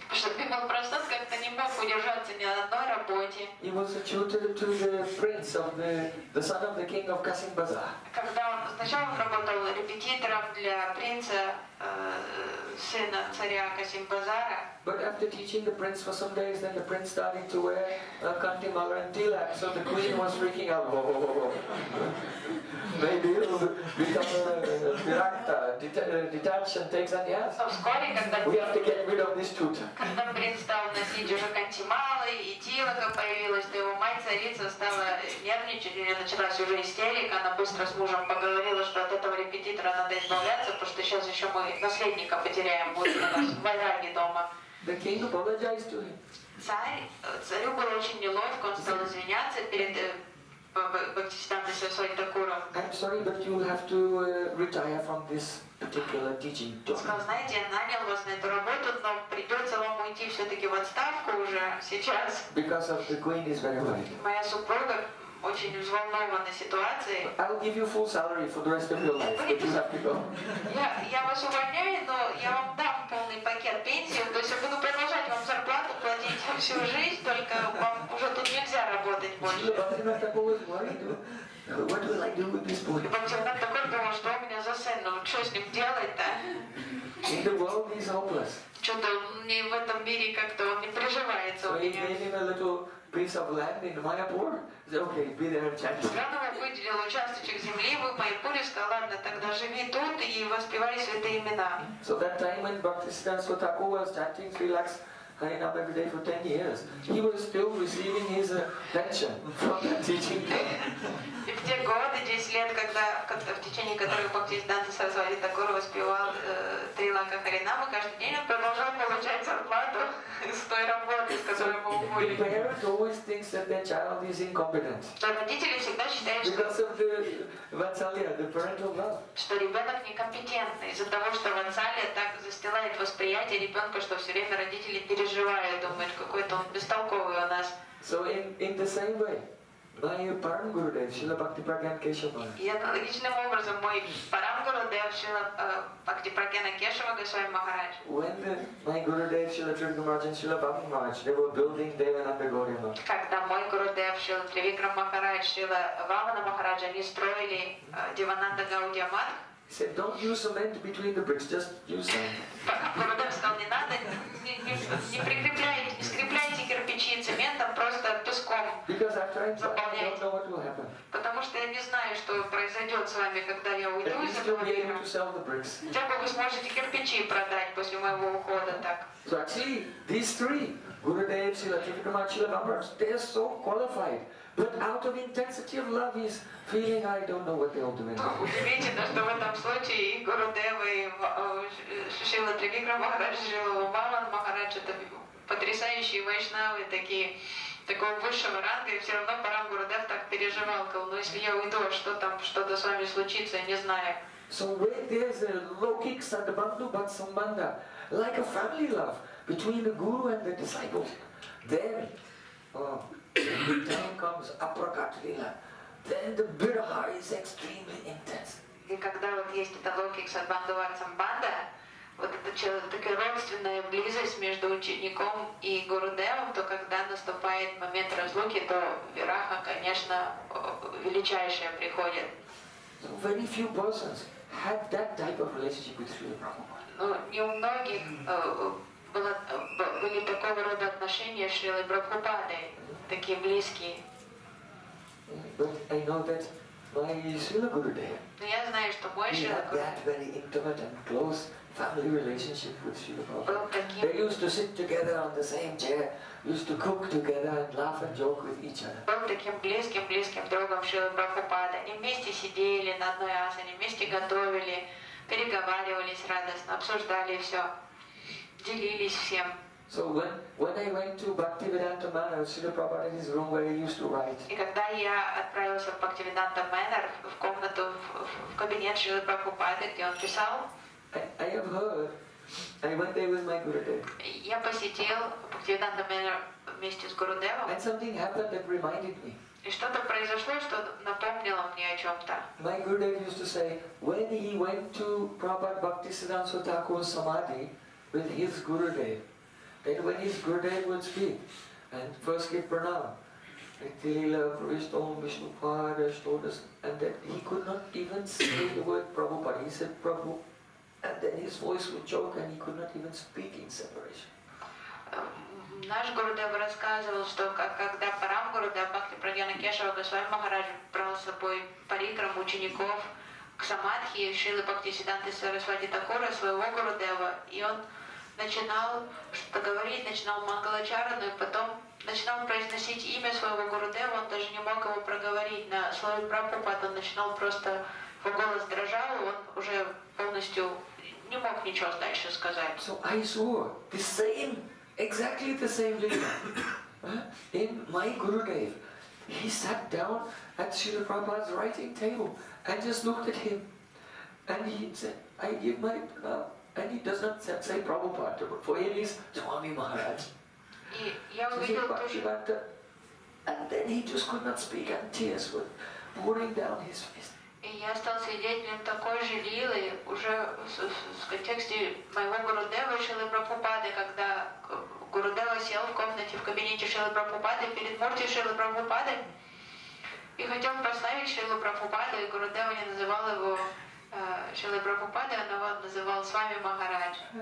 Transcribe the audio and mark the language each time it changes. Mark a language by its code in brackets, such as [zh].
[ru] Что Бимала Прасад как-то не мог удержаться ни на одной работе. [en] He was a tutor to the prince of the son of the king of Kasim Bazar. [ru] Когда он сначала работал репетитором для принца сына царя Касим Базара. [en] But after teaching the prince for some days, then the prince started to wear a kanti mala and tilak, so the queen was freaking out. Whoa, whoa, whoa. Maybe it'll become a virakta, detach and take sannyas. We have to get rid of this tutor. [ru] Когда принц стал носить уже канти малы и тилака появилась, то его мать царица стала нервничать, у нее началась уже истерика. Она быстро с мужем поговорила, что от этого репетитора надо избавляться, потому что сейчас еще мы наследника потеряем, будет у нас вайраги дома. [en] The king apologized to him. [ru] Царю было очень неловко, он стал извиняться перед Бхактисиддханта Сарасвати Тхакуром. [en] I'm sorry, but you have to retire from this particular teaching job. [ru] Сказал, знаете, я нанял вас на эту работу, но придется вам уйти все-таки в отставку уже сейчас. [en] Because of the queen is very worried. [ru] Моя супруга очень взволнованной ситуацией. [en] I'll give you full salary for the rest of your life, but you have to go. [ru] Я вас увольняю, но я вам дам полный пакет пенсии, то есть я буду продолжать вам зарплату платить всю жизнь, только вам уже тут нельзя работать больше. [en] What will I do with this boy? [ru] Такой думал, что у меня за сын, ну что с ним делать-то? [en] In the world he's hopeless. [ru] Что-то мне в этом мире как-то он не приживается у меня. [en] Piece of land in Mayapur, so okay, be there and chant. [ru] Гранова выделил участочек земли в Майпуре, сказал, ладно, тогда живи тут и воспевай святые имена. [en] So that time when Бхактисиддханта Тхакур was chanting 3 lakhs Харинам every day for 10 years, he was still receiving his pension from the teaching. [ru] И в те годы, 10 лет, когда в течение которых Бхактисиддханта Сарасвати Тхакур воспевал 3 lakh Харинама, каждый день он продолжал получать зарплату. [en] The parent always thinks that their child is incompetent. Because of the vatsalya, the parental love. [ru] Что ребенок некомпетентный из-за того, что вансалья так застилает восприятие ребенка, что все время родители переживают, думают, какой-то он бестолковый у нас. [en] So in the same way, my Param Gurudev, Srila Bhakti Pragyan Keshava. [ru] И аналогичным образом мой Param Gurudev, Srila Bhakti Pragyan Keshava Госвами Махарадж. [en] When my Gurudev, Srila Trivikram Maharaj and Srila Bhakti Maharaj, they were building Devananda Gaurima. [ru] Когда мой Гурудев, Srila Trivikram Maharaj, Srila Vamana Maharaj, они строили Девананда Гаудия Матх. [en] He said, don't use cement between the bricks, just use sand. [ru] Гурудев сказал, не надо, не прикрепляйте, скрепляйте кирпичи цементом, просто песком заполняйте. Потому что я не знаю, что произойдет с вами, когда я уйду из этого мира. Хотя бы вы сможете кирпичи продать после моего ухода так. [en] So actually, these three, Гурудев, Сила Трификрама, Сила Бхамараш, they are so qualified. But out of intensity of love, he's feeling, I don't know what they'll do anymore. [ru] Удивительно, что в этом случае и Гурудев, и Шрила Тривикрама Махарадж, Шрила Вамана Махарадж, это потрясающие вайшнавы, такого высшего ранга, и все равно Парам Гурудев так переживал, но если я уйду, что там, что-то с вами случится, я не знаю. [en] So where there's a lokik sadbandhu bhat sambandha, like a family love between the guru and the disciples, there, the time comes aprakatila, then the viraha is extremely intense. [ru] И когда вот есть эта локик садбанда ватсамбанда, вот эта такая родственная близость между учеником и гурудевом, то когда наступает момент разлуки, то вираха, конечно, величайшая приходит. [en] So very few persons had that type of relationship with Srila Prabhupada. But I know that my Srila Gurudev, he had that very intimate and close family relationship with Srila Prabhupada. They used to sit together on the same chair, used to cook together and laugh and joke with each other. [ru] Был таким близким, близким другом Шрилы Прабхупады. Они вместе сидели на одной асане, вместе готовили, переговаривались радостно, обсуждали все, делились всем. [en] So when I went to Bhaktivedanta Manor, Srila Prabhupada in his room where he used to write. [ru] И когда я отправился в Bhaktivedanta Manor, в комнату, в кабинет Шрилы Прабхупады, где он писал, [en] I have heard, I went there with my Gurudev. [ru] Я посетил Bhaktivedanta Manor вместе с Гурудевом. [en] And something happened that reminded me. [ru] И что-то произошло, что напомнило мне о чем-то. [en] My Gurudev used to say, when he went to Prabhupada Bhaktisiddhanta Thakur Samadhi with his Gurudev, then when his Gurudev would speak and first give pranam, Nithilila, Vrishtom, Vishnupada, Shodas, and that he could not even say the word Prabhupada. He said Prabhu. And then his voice would choke and he could not even speak in separation. [ru] Наш Гурудев рассказывал, что когда Парам Гурудев Бхакти Прагьяна Кешава Госвами Махарадж брал с собой парикрам учеников к самадхи Шрилы Бхактисиддханты Сарасвати Такура, своего Гурудева, и он начинал что-то говорить, начинал мангалачарану, и потом начинал произносить имя своего Гурудева, он даже не мог его проговорить на слове Прабхупад, он начинал просто, его голос дрожал, он уже полностью не мог ничего дальше сказать. [en] So I saw the same, exactly the same leader in my Gurudev. He sat down at Srila Prabhupada's writing table and just looked at him. And he said, I give my pranam. And he does not say Prabhupada, but for him is Swami Maharaj. And then he just could not speak and tears were pouring down his face. [ru] И я стал свидетелем такой же лилы уже в контексте моего Гурудева Шрилы Прабхупады, когда Гурудева сел в комнате в кабинете Шрилы Прабхупады перед Мурти Шрилы Прабхупады и хотел прославить Шрилу Прабхупаду, и Гурудева не называл его Шрилы Прабхупады, а его называл Свами Махарадж.